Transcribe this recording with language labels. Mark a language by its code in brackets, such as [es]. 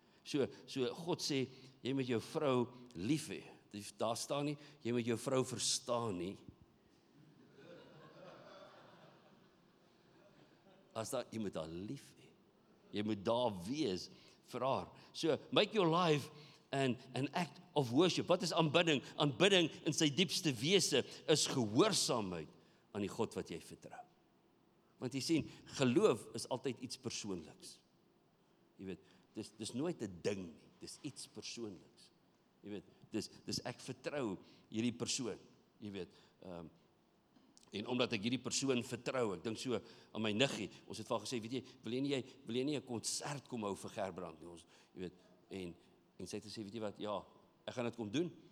[af] So God sê, jy moet jou vrou lief hê. Daar staan nie, jy moet jou vrou verstaan nie. As daar, jy moet haar lief hê. Jy moet daar wees vir haar. [en] So, make your life an act of worship. [af] Wat is aanbidding? Aanbidding in sy diepste wese is gehoorsaamheid aan die God wat jy vertrou. Want jy sien, geloof is altyd iets persoonliks. Jy weet, dis nooit 'n ding nie. Dis iets persoonliks. Jy weet, dis ek vertrou hierdie persoon, jy weet, en omdat ek hierdie persoon vertrou, ek dink so aan my niggie, ons het van gesê, weet jy, wil jy nie 'n konsert kom hou vir Gerbrand, ons, jy weet, en sy het gesê, weet jy wat, ja, ek gaan dit kom doen,